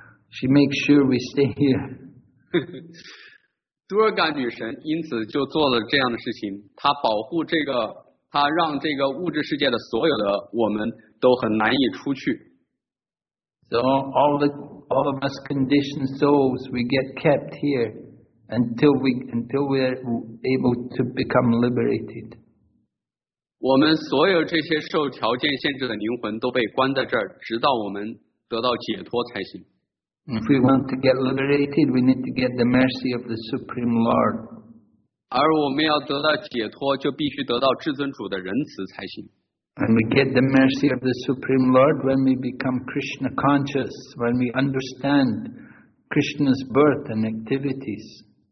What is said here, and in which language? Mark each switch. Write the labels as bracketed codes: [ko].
[en] She makes sure we stay here. [zh] Durga 女神因此就做了这样的事情，她保护这个，她让这个物质世界的所有的我们都很难以出去。 [en] So all of us conditioned souls, we get kept here until we are able to become liberated. [zh] 我们所有这些受条件限制的灵魂都被关在这儿，直到我们得到解脱才行。 [en] If we want to get liberated, we need to get the mercy of the Supreme Lord. [zh] 而我们要得到解脱，就必须得到至尊主的仁慈才行。 [en] And we get the mercy of the Supreme Lord when we become Krishna conscious, when we understand Krishna's birth and activities.